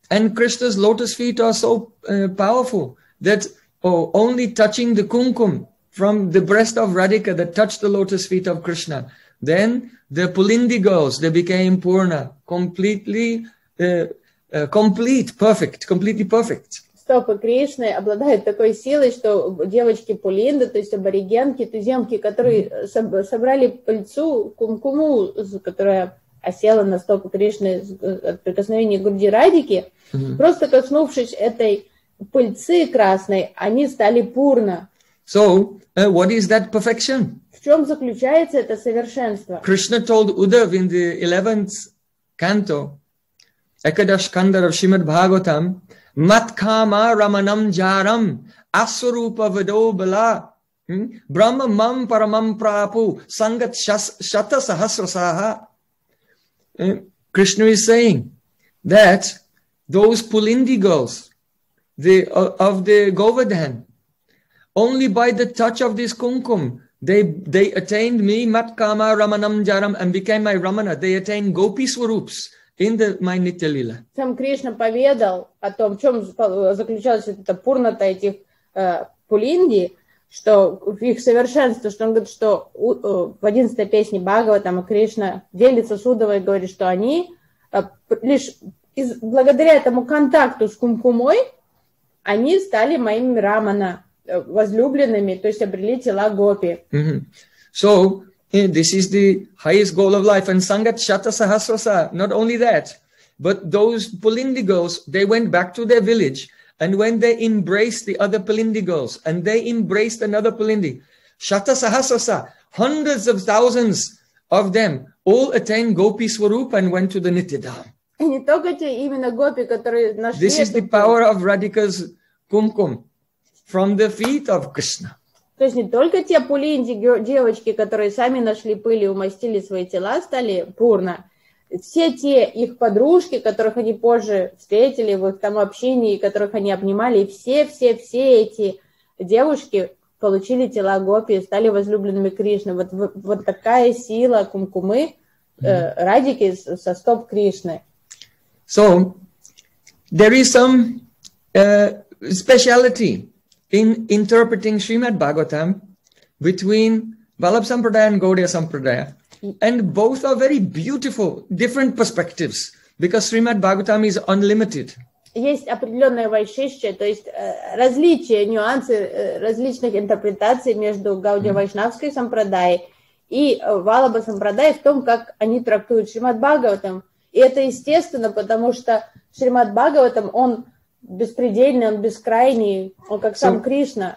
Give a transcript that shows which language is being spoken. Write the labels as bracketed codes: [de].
[en] And Krishna's lotus feet are so powerful that only touching the kumkum from the breast of Radhika that touched the lotus feet of Krishna, then the Pulindi girls, they became Purna, completely completely perfect. [ru] Стопы Кришны обладают такой силой, что девочки Пулинды, то есть аборигенки, туземки, которые собрали пыльцу кумкуму, которая осела на стопы Кришны от прикосновения к груди Радики, просто коснувшись этой пыльцы красной, они стали пурна. [en] So, what is that perfection? [ru] В чем заключается это совершенство? [en] Krishna told Uddhava in the 11th canto, Ekadash Kandar of Shrimad Bhagavatam, [sa] Matkama Ramanam Jaram, Asurupa Vado Bala, Brahma Mam Paramam Prapu, Sangat Shata Sahasrasaha. [en] Krishna is saying that those Pulindi girls, of the Govardhan, only by the touch of this kumkum, they attained me, [sa] Matkama Ramanam Jaram, [en] and became my Ramana. They attained Gopi Swaroops. In the my nitya lila. [ru] Сам Кришна поведал о том, в чем заключалась эта пурната этих пулинди, что в их совершенстве, что он говорит, что в 11-й песне Бхагаватам Кришна делится с Удавой и говорит, что они лишь благодаря этому контакту с кумкумой они стали моими рамана, возлюбленными, то есть обрели тела гопи. Mm-hmm. [en] So, this is the highest goal of life. And [sa] Sangat Shata Sahasrasa, [en] not only that, but those Pulindi girls, they went back to their village. And when they embraced the other Pulindi girls, and they embraced another Pulindi, Shata Sahasrasa, hundreds of thousands of them, all attained Gopi Swarup and went to the Nityadham. This is the power of Radhika's kumkum from the feet of Krishna. [ru] То есть не только те пулинди, девочки, которые сами нашли пыль и умастили свои тела, стали пурна. Все те их подружки, которых они позже встретили в их там общении, которых они обнимали, все эти девушки получили тела гопи и стали возлюбленными Кришны. Вот такая сила кумкумы, Радики со стоп Кришны. [en] So, there is some speciality in interpreting Srimad Bhagavatam between Vallabha Sampradaya and Gaudiya Sampradaya. And both are very beautiful, different perspectives, because Srimad Bhagavatam is unlimited. [ru] Есть определенное вайшишча, то есть различия, нюансы различных интерпретаций между Гаудия Вайшнавской Сампрадаей и Валлабха Сампрадаей в том, как они трактуют Шримад Бхагаватам. И это естественно, потому что Шримад Бхагаватам, он беспредельный, он бескрайний, он как сам Кришна.